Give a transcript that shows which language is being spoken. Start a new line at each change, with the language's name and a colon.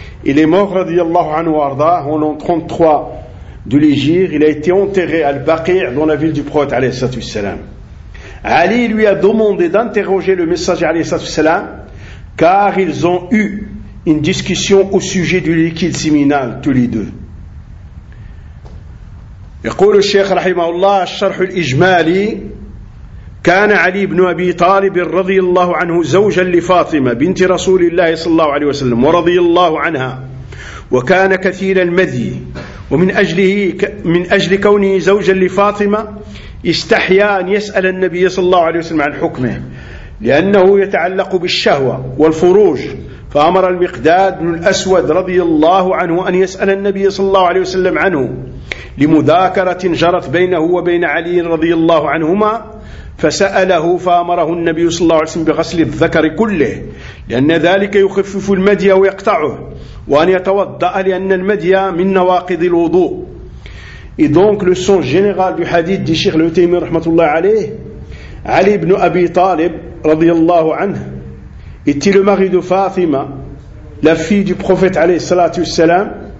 French: Il est mort, radiyallahu anhu arda, en l'an 33. De l'Égypte, il a été enterré à Al-Baqi' dans la ville du prophète alayhi salatu wassalam. Ali lui a demandé d'interroger le messager alayhi salatu wassalam car ils ont eu une discussion au sujet du liquide séminal tous les deux.
Arabic: يقول الشيخ رحمه الله الشرح الإجمالي: كان علي بن أبي طالب رضي الله عنه زوجا لفاطمة بنت رسول الله صلى الله عليه وسلم ورضي الله عنها, وكان كثير المذي, ومن أجله من أجل كونه زوجا لفاطمة استحيا أن يسأل النبي صلى الله عليه وسلم عن حكمه لأنه يتعلق بالشهوة والفروج. فأمر المقداد بن الأسود رضي الله عنه أن يسأل النبي صلى الله عليه وسلم عنه لمذاكرة جرت بينه وبين علي رضي الله عنهما, فسأله فأمره النبي صلى الله عليه وسلم بغسل الذكر كله لأن ذلك يخفف المدي ويقطعه, وأن يتوضأ لأن المدي من نواقض الوضوء.
French: Et donc le sens général du hadith dit Cheikh Al-Uthaymeen rahmatullah alayh, Ali ibn Abi Talib radiyallahu anhu était le mari de Fatima, la fille du prophète alayhi salatu wassalam.